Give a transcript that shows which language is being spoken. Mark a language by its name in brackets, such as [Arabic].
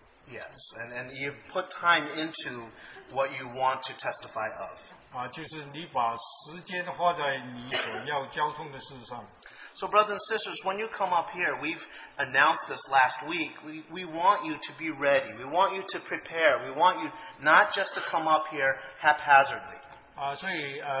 [English] Yes, and you put time into what you want to testify of. [Chinese] 就是你把时间花在你所要交通的事上。 [English] So brothers and sisters, when you come up here, we've announced this last week, we want you to be ready. We want you to prepare. We want you not just to come up here haphazardly.